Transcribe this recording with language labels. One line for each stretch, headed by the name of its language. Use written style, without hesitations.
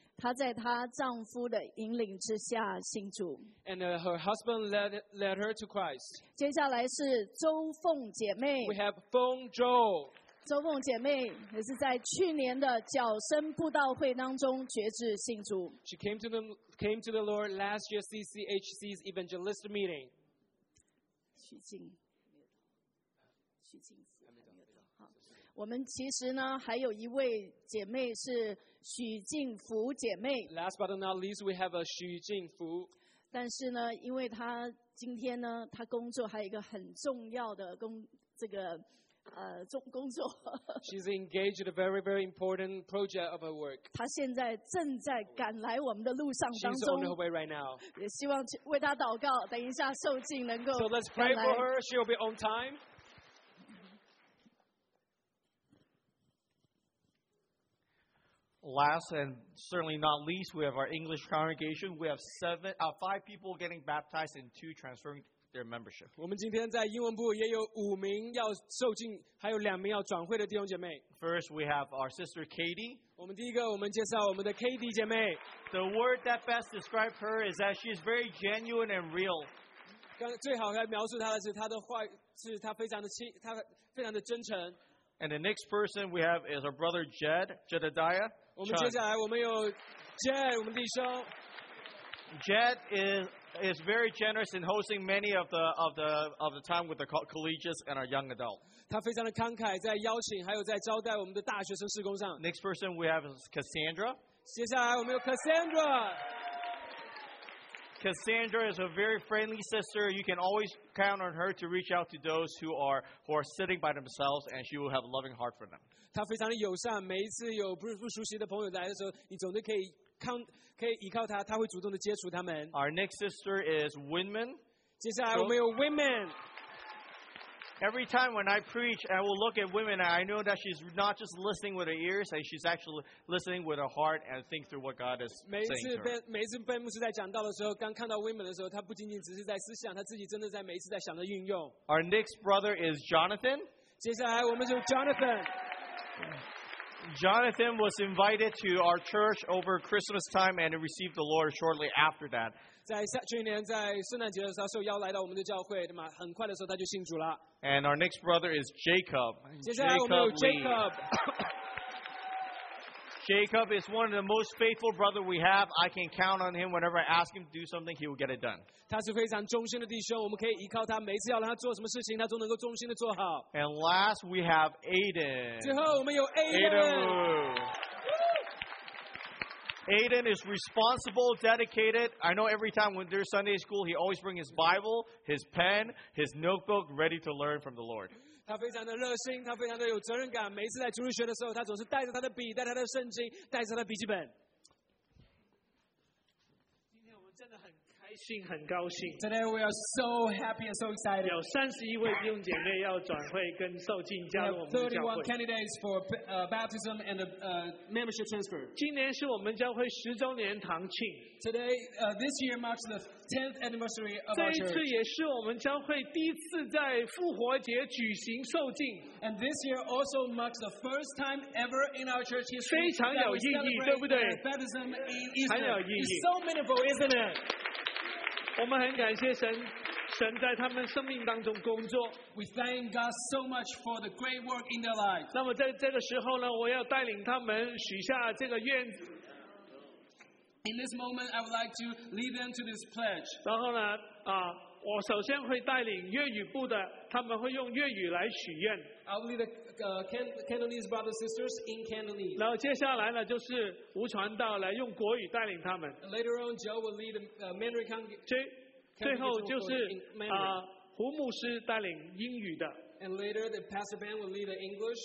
Chinese: 她在她丈夫的引领之下信主。
English: And her husband led her to Christ.
Chinese: 接下来是周凤姐妹。
English: We have Feng Zhou.
Chinese: 周凤姐妹也是在去年的脚声布道会当中决志信主。
English: She came to the Lord last year CCHC's evangelist meeting.
Chinese: 徐静，徐静。我们其实呢，还有一位姐妹是许静福姐妹。
English: Last but not least, we have a 许静福。
Chinese: 但是呢，因为她今天呢，她工作还有一个很重要的工作。
English: She's engaged in a very, very important project of her work.
Chinese: 她现在正在赶来我们的路上当中。
English: She's on her way right now.
Chinese: 也希望为她祷告，等一下受浸能够赶来。
English: So let's pray for her. She'll be on time. Last and certainly not least, we have our English congregation. We have five people getting baptized and two transferring their membership.
Chinese: 我们今天在英文部也有五名要受浸，还有两名要转会的弟兄姐妹。
English: First, we have our sister Katie.
Chinese: 我们第一个，我们介绍我们的 Katie 姐妹。
English: The word that best describes her is that she is very genuine and real.
Chinese: 最好来描述她的是她的话是她非常的亲，她非常的真诚。
English: And the next person we have is our brother Jedediah.
Chinese: 我们接下来我们有 Jed, 我们弟兄。
English: Jed is very generous in hosting many of the time with the collegians and our young adults.
Chinese: 他非常的慷慨，在邀请还有在招待我们的大学生事工上。
English: Next person we have is Cassandra.
Chinese: 接下来我们有 Cassandra。
English: Cassandra is a very friendly sister. You can always count on her to reach out to those who are sitting by themselves, and she will have a loving heart for them.
Chinese: 她非常的友善，每一次有不熟悉的朋友来的时候，你总是可以依靠她，她会主动的接触他们。
English: Our next sister is Winman.
Chinese: 接下来我们有 Winman.
English: Every time when I preach, I will look at Winman, and I know that she's not just listening with her ears, and she's actually listening with her heart and think through what God is saying to her.
Chinese: 每一次被牧师在讲到的时候，刚看到 Winman 的时候，他不仅仅只是在思想，他自己真的在每一次在想着运用。
English: Our next brother is Jonathan.
Chinese: 接下来我们是 Jonathan.
English: Jonathan was invited to our church over Christmas time and received the Lord shortly after that.
Chinese: 在去年在圣诞节的时候，受邀来到我们的教会，那么很快的时候他就信主了。
English: And our next brother is Jacob.
Chinese: 接下来我们有 Jacob.
English: Jacob is one of the most faithful brother we have. I can count on him whenever I ask him to do something, he will get it done.
Chinese: 他是非常忠心的弟兄，我们可以依靠他，每次要让他做什么事情，他都能够忠心的做好。
English: And last, we have Aiden.
Chinese: 最后我们有 Aiden.
English: Aiden is responsible, dedicated. I know every time when there's Sunday school, he always brings his Bible, his pen, his notebook, ready to learn from the Lord.
Chinese: 他非常的热心，他非常的有责任感。每次在主日学的时候，他总是带着他的笔，带他的圣经，带着他的笔记本。今天我们真的很开心，很高兴。
English: Today we are so happy and so excited.
Chinese: 有31位弟兄姐妹要转会跟受浸加入我们的教会。
English: We have 31 candidates for baptism and membership transfer.
Chinese: 今年是我们教会十周年堂庆。
English: Today, this year marks the 10th anniversary of our church.
Chinese: 这一次也是我们教会第一次在复活节举行受浸。
English: And this year also marks the first time ever in our church history.
Chinese: 非常有意义，对不对？很有意义。
English: It's so meaningful, isn't it?
Chinese: 我们很感谢神，神在他们生命当中工作。
English: We thank God so much for the great work in their lives.
Chinese: 那么在这个时候呢，我要带领他们许下这个愿。
English: In this moment, I would like to lead them to this pledge.
Chinese: 然后呢，我首先会带领粤语部的，他们会用粤语来许愿。
English: I will lead the Cantonese brothers and sisters in Cantonese.
Chinese: 然后接下来呢，就是吴传道来用国语带领他们。
English: Later on, Joe will lead the Mandarin congregation.
Chinese: 最后就是胡牧师带领英语的。
English: And later, the pastor band will lead the English.